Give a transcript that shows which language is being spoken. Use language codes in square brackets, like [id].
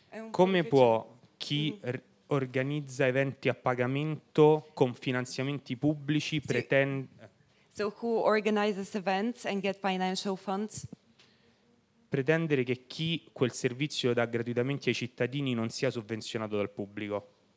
[it] come può chi organizza eventi a pagamento con finanziamenti pubblici [en] So who organizes events and get financial funds? [it] Pretendere che chi quel servizio dà gratuitamente ai cittadini non sia sovvenzionato dal pubblico.